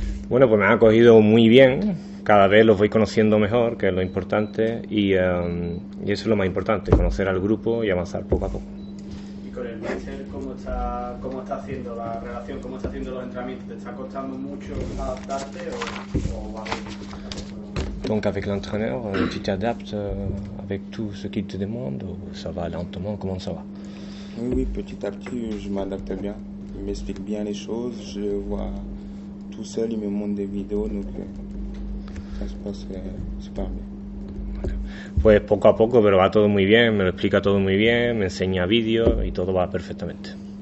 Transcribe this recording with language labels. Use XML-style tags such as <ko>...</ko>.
<es>Bueno, pues me ha cogido muy bien, cada vez los voy conociendo mejor, que es lo importante, y eso es lo más importante, conocer al grupo y avanzar poco a poco. ¿Y con el máster cómo está haciendo la relación, cómo está haciendo los entrenamientos? ¿Te está costando mucho adaptarte o va bien?</es> <fr>Donc avec l'entraîneur, tu t'adaptes avec tout ce qu'il te demande, ça va lentement, comment ça va? Oui, petit à petit, je m'adapte bien. Il m'explique bien les choses, je vois tout seul, il me montre des vidéos, donc ça se passe super bien.</fr> <es>Pues poco a poco, pero va todo muy bien, me lo explica todo muy bien, me enseña vídeos y todo va perfectamente.</es>